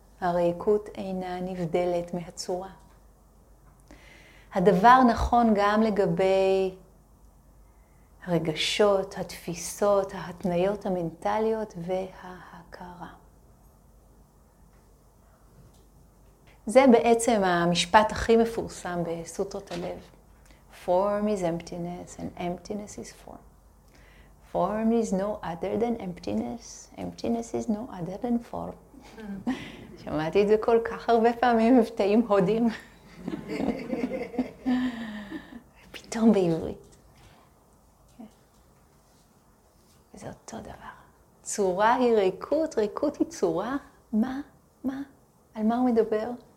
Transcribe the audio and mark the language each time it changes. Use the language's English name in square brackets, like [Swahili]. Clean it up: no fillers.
[Hebrew] הריקות אינה נבדלת מהצורה. הדבר נכון גם לגבי הרגשות, התפיסות, ההתניות המנטליות וההכרה. זה בעצם המשפט הכי מפורסם בסוטרות הלב. [English] Form is emptiness and emptiness is form. Form is no other than emptiness. Emptiness is no other than form. [Hebrew] שמעתי את זה כל כך הרבה פעמים מבטאים הודים. פתאום בעברית. זה אותו דבר. צורה היא ריקות, ריקות היא צורה. מה? מה? על מה הוא מדבר?